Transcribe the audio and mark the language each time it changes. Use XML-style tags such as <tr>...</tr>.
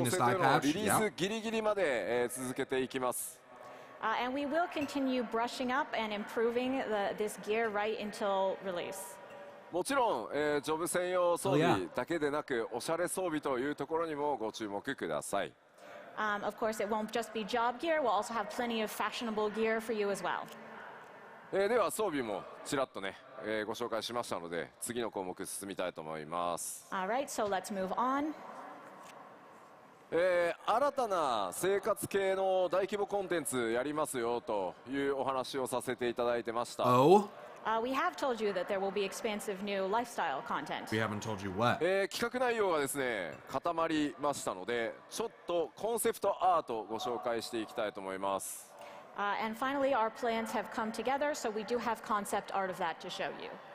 <ja>これら装備はブラッシュアップ、それから調整というのをリリースギリギリまで続けていきます。</ja> <en>And we will continue brushing up and improving this gear right until release.</en> <ja>もちろん、ジョブ専用装備だけでなく、おしゃれ装備というところにもご注目ください。</ja> <en>Of course, it won't just be job gear. We'll also have plenty of fashionable gear for you as well.</en> <ja>では装備もちらっとね、ご紹介しましたので、次の項目進みたいと思います。</ja> <en>Alright, so let's move on.</en> <ja>新たな生活系の大規模コンテンツやりますよというお話をさせていただいてました。Oh?</ja> <en>We have told you that there will be expansive new lifestyle content. We haven't told you what.</en> <ja>企画内容がですね、固まりましたので、ちょっとコンセプトアートをご紹介していきたいと思います。</ja> <en>And finally, our plans have come together, so we do have concept art of that to show you.</en>